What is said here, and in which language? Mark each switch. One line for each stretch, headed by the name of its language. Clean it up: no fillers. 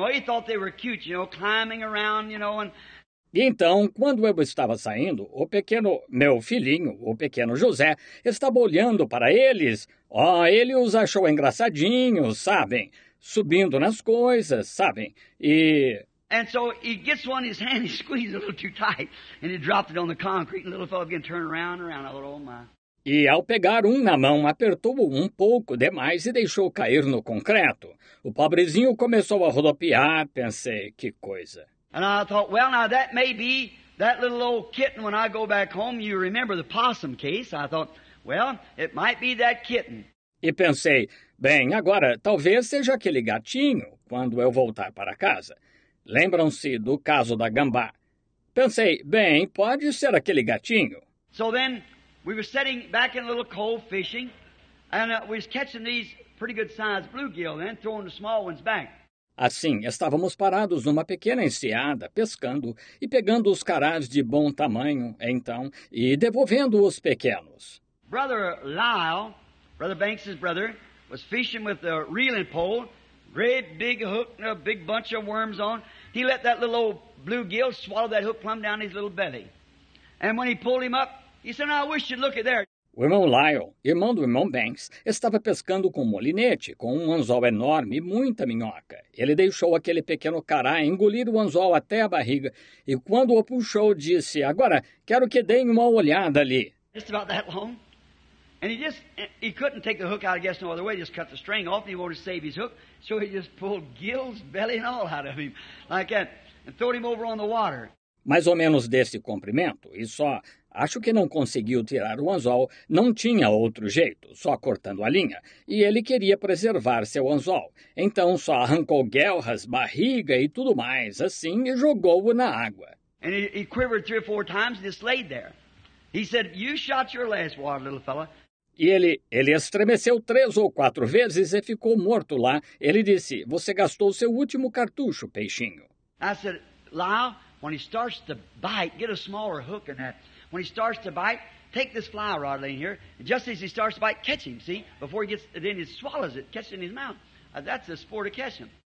English: Oh, he thought they were cute, you know, climbing around, you know.
Portuguese: E então, quando eu estava saindo, o pequeno, meu filhinho, o pequeno José, estava olhando para eles. Oh, ele os achou engraçadinhos, sabem? Subindo nas coisas, sabem? E...
English: And so he gets one in his hand, he squeezed a little too tight, and he dropped it on the concrete, and the little fellow began to turn around and around. I thought, oh my...
Portuguese: E ao pegar um na mão, apertou-o um pouco demais e deixou cair no concreto. O pobrezinho começou a rodopiar, pensei, que coisa.
English: And I thought, well, now that may be that little old kitten when I go back home, you remember the possum case. I thought, well, it might be that kitten.
Portuguese: E pensei, bem, agora talvez seja aquele gatinho quando eu voltar para casa. Lembram-se do caso da gambá. Pensei, bem, pode ser aquele gatinho.
English: So then we were sitting back in a little cove fishing, and we was catching these pretty good sized bluegill and throwing the small ones back.
Portuguese: Assim, estávamos parados numa pequena enseada, pescando e pegando os carais de bom tamanho, então, e devolvendo os pequenos.
English: Brother Lyle, Brother Banks's brother, was fishing with a reeling pole, great big hook and a big bunch of worms on. He let that little old bluegill swallow that hook plumb down his little belly. And when he pulled him up, he said, I wish you'd look at there.
Portuguese: O irmão Lyle, irmão do irmão Banks, estava pescando com um molinete, com um anzol enorme e muita minhoca. Ele deixou aquele pequeno cará engolir o anzol até a barriga, e quando o puxou, disse, agora, quero que deem uma olhada ali.
English: Just about that long. And he couldn't take the hook out, I guess, no other way. He just cut the string off, and he wanted to save his hook. So he just pulled gills, belly and all out of him, like that, and threw him over on the water.
Portuguese: Mais ou menos desse comprimento, e só... Acho que não conseguiu tirar o anzol, não tinha outro jeito, só cortando a linha. E ele queria preservar seu anzol, então só arrancou guelras, barriga e tudo mais, assim, e jogou-o na água.
English: And he quivered three or four times and just laid there. He said, you shot your last water, little fella.
Portuguese: E ele estremeceu três ou quatro vezes e ficou morto lá. Ele disse, você gastou seu último cartucho, peixinho.
English: I said, Lyle, when he starts to bite, get a smaller hook in that. When he starts to bite, take this fly rod in here, and just as he starts to bite, catch him, see? Before he gets, then he swallows it, catch it in his mouth. That's the sport of catching.